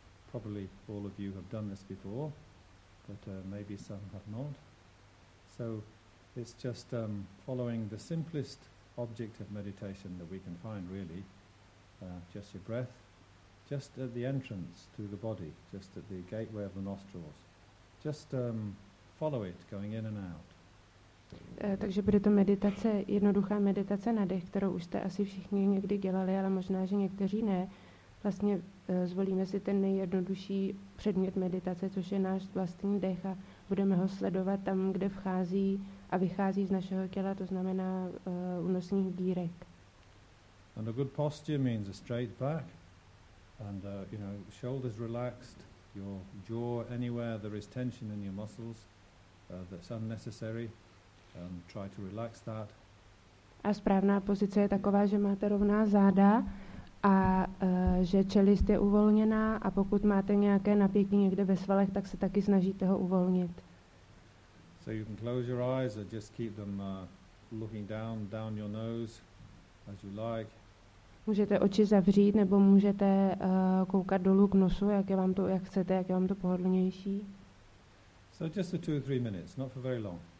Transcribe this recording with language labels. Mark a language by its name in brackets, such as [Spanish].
[English] Probably all of you have done this before, but maybe some have not. So it's just following the simplest object of meditation that we can find, really. Just your breath, just at the entrance to the body, just at the gateway of the nostrils. Just follow it going in and out. [Czech] Takže bude to meditace, jednoduchá meditace na dech, kterou už jste asi všichni někdy dělali, ale možná, že někteří ne. Vlastně zvolíme si ten nejjednodušší předmět meditace, což je náš vlastní dech a budeme ho sledovat tam, kde vchází a vychází z našeho těla, to znamená u nosních dírek. [English] And a good posture means a straight back and you know, shoulders relaxed, your jaw anywhere there is tension in your muscles that's unnecessary. Try to relax that. [Czech] A správná pozice je taková, že máte rovná záda a že čelist je uvolněná a pokud máte nějaké napětí někde ve svalech, tak se taky snažíte ho uvolnit. [English] So you can close your eyes or just keep them looking down your nose as you like. [Czech] Můžete oči zavřít nebo můžete koukat dolů k nosu, jak je vám to pohodlnější. [English] So just for 2-3 minutes, not for very long.